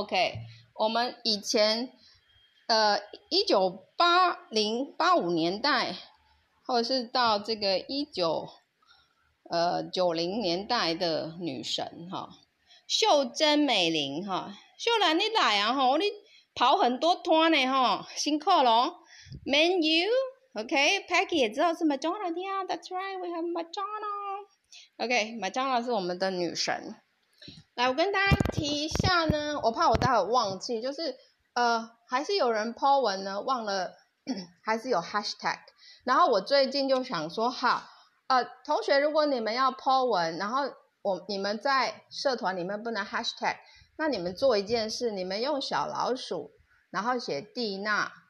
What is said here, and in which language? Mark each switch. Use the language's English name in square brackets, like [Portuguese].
[Chinese] OK, 我们以前，1980-85年代，或者是到这个1990年代的女神哈，秀珍美玲哈，秀兰你来啊哈，你跑很多摊呢哈，辛苦了 ，Menu。 [English] OK, Peggy [Chinese] 也知道是 [English] Madonna, yeah, that's right, we have Madonna. [Chinese] OK, Madonna 是我们的女神。来，我跟大家提一下呢，我怕我待会忘记，就是还是有人 po 文呢，忘了，还是有 hashtag。然后我最近就想说，好，同学，如果你们要 po 文，然后你们在社团里面不能 hashtag, 那你们做一件事，你们用小老鼠，然后写蒂娜。